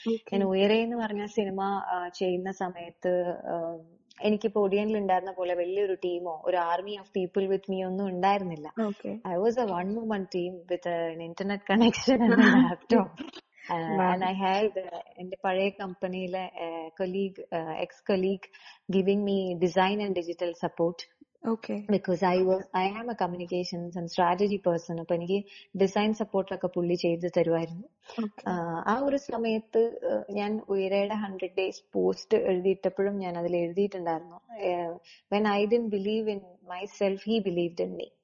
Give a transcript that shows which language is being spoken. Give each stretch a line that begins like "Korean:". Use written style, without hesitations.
Malayalam: ഞാൻ ഉയരെ എന്ന് പറഞ്ഞ സിനിമ ചെയ്യുന്ന സമയത്ത് എനിക്കിപ്പോ ഒടിയനിൽ ഉണ്ടായിരുന്ന പോലെ വലിയൊരു ടീമോ ഒരു
English: army of people with me
Malayalam: ഒന്നും ഉണ്ടായിരുന്നില്ല.
English: I was a one woman team with internet connection and laptop. And I had
Malayalam: എന്റെ പഴയ കമ്പനിയിലെ
English: Colleague ex colleague giving me design and digital support. Okay. Because I am a communications and strategy person.
Malayalam: അപ്പൊ എനിക്ക് design സപ്പോർട്ടൊക്കെ പുള്ളി ചെയ്ത് തരുമായിരുന്നു. ആ ഒരു സമയത്ത് ഞാൻ ഉയരയുടെ 100 days പോസ്റ്റ് എഴുതിയിട്ടപ്പോഴും ഞാൻ അതിൽ എഴുതിയിട്ടുണ്ടായിരുന്നു,
English: When I didn't believe in myself, he believed in me.